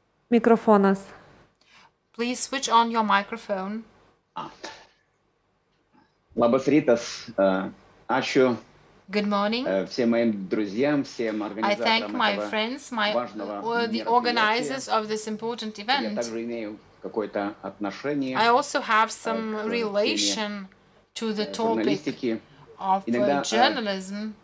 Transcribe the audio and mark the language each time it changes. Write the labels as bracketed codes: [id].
[en] Microphones. Please switch on your microphone. [lt] Labas rytas. Ačiū. [en] Good morning. [ru] Всем моим друзьям, всем [en] I thank my friends, my the organizers of this important event. [ru] Я также имею какое-то отношение. [en] I also have some relation to the topic of journalism.